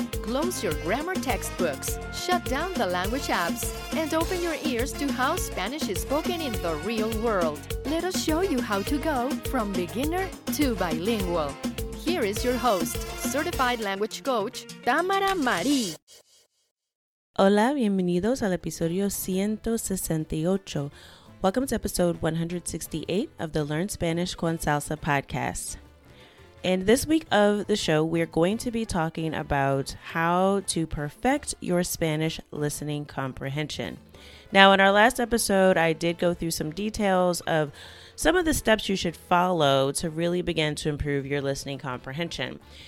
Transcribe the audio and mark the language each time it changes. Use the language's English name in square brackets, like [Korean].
[English] Close your grammar textbooks, shut down the language apps, and open your ears to how Spanish is spoken in the real world. Let us show you how to go from beginner to bilingual. Here is your host, certified language coach, Tamara Marie. [Spanish] Hola, bienvenidos al episodio 168. [English] Welcome to episode 168 of the Learn Spanish con Salsa podcast. And this week of the show, we're going to be talking about how to perfect your Spanish listening comprehension. Now, in our last episode, I did go through some details of some of the steps you should follow to really begin to improve your listening comprehension.